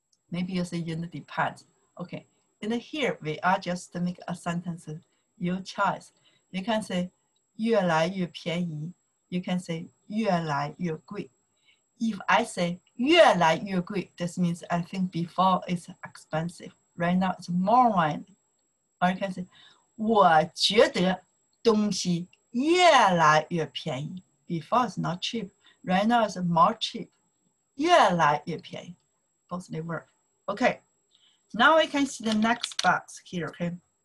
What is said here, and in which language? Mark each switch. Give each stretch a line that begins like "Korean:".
English: Maybe you say it depends. Okay, in here, we are just to make a sentence, your choice. You can say
Chinese: 越来越便宜,
English: you can say
Chinese: 越来越贵.
English: If I say
Chinese: 越来越贵,
English: this means I think before it's expensive. Right now it's more money. Or you can say
Chinese: 我觉得东西越来越便宜.
English: Before it's not cheap. Right now it's more cheap.
Chinese: 越来越便宜.
English: Both they work. Okay. Now we can see the next box here, okay?